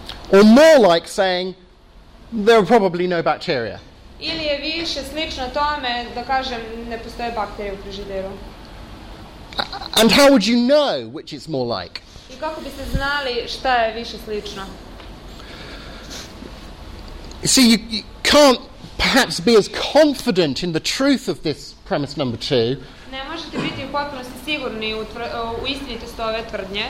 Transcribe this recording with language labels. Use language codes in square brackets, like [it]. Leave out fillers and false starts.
[en] Or more like saying there are probably no bacteria. [sr] Ili je više slično tome da kažem ne postoje bakterije u frižideru. [en] And how would you know which it's more like? [sr] I kako biste znali šta je više slično? [en] See, you can't perhaps be as confident in the truth of this premise number two. [sr] Ne možete biti u potpunosti sigurni u istinitost ove tvrdnje.